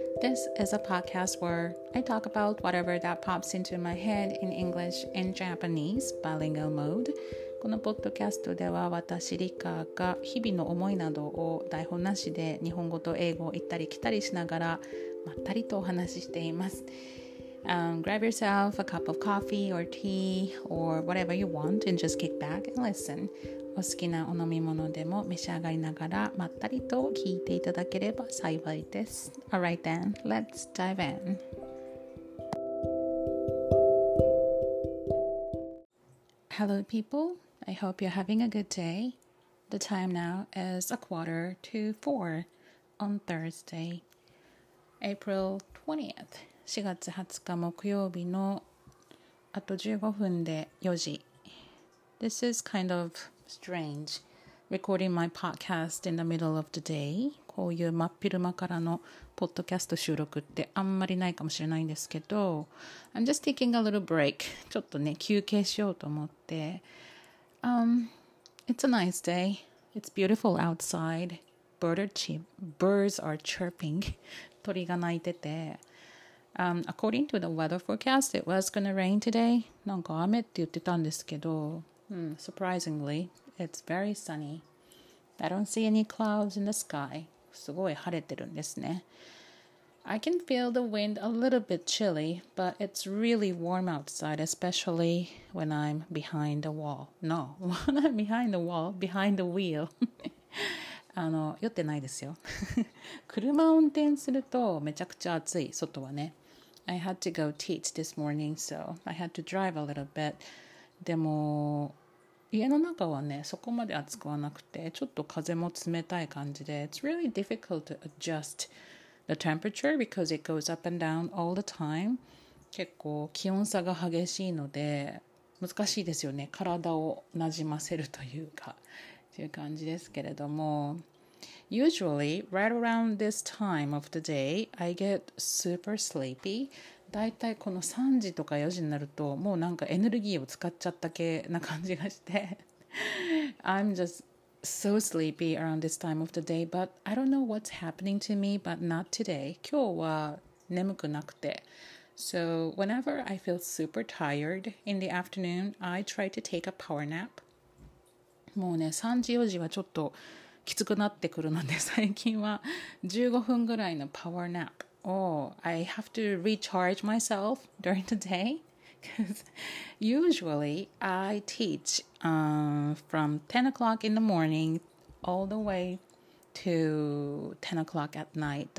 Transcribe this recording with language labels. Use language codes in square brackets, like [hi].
[en] This is a podcast where I talk about whatever that pops into my head in English and Japanese, bilingual mode. [ja] このポッドキャストでは私、Rika が日々の思いなどを台本なしで日本語と英語を行ったり来たりしながらまったりとお話ししています。 [en] Grab yourself a cup of coffee or tea or whatever you want and just kick back and listen. [ja] お好きなお飲み物でも召し上がりながらまったりと聞いていただければ幸いです。 [en] Alright then, let's dive in. Hello people, I hope you're having a good day. The time now is a quarter to four on Thursday, April 20th. [ja] 4月20日木曜日のあと15分で4時。 [en] This is kind of strange, recording my podcast in the middle of the day. [ja] こういう真っ昼間からのポッドキャスト収録ってあんまりないかもしれないんですけど、 [en] I'm just taking a little break. [ja] ちょっとね、休憩しようと思って。 [en] It's a nice day. It's beautiful outside. Birds are chirping. [ja] 鳥が鳴いてて。 [en] According to the weather forecast, it was going to rain today. [ja] なんか雨って言ってたんですけど、 [en] Surprisingly, it's very sunny. I don't see any clouds in the sky. [ja] すごい晴れてるんですね。 [en] I can feel the wind a little bit chilly, but it's really warm outside, especially when I'm behind the wall. No, not behind the wall, behind the wheel. [ja] 酔ってないですよ。車を運転するとめちゃくちゃ暑い、外はね。 [en] I had to go teach this morning, so I had to drive a little bit. [ja] でも、家の中はね、そこまで暑くはなくて、ちょっと風も冷たい感じで、 [en] It's really difficult to adjust the temperature because it goes up and down all the time. [ja] 結構気温差が激しいので、難しいですよね。体をなじませるというか、という感じですけれども。 [en] Usually, right around this time of the day, I get super sleepy. [ja] だいたいこの3時とか4時になると、もうなんかエネルギーを使っちゃった系な感じがして。 [en] I'm just so sleepy around this time of the day, but I don't know what's happening to me, but not today. [ja] 今日は眠くなくて。 [en] So, whenever I feel super tired in the afternoon, I try to take a power nap. [ja] もうね、3時4時はちょっと、きつくなってくるので最近は15分ぐらいのパワーナップ [en] を、I have to recharge myself during the day because usually I teach from 10 o'clock in the morning all the way to 10 o'clock at night.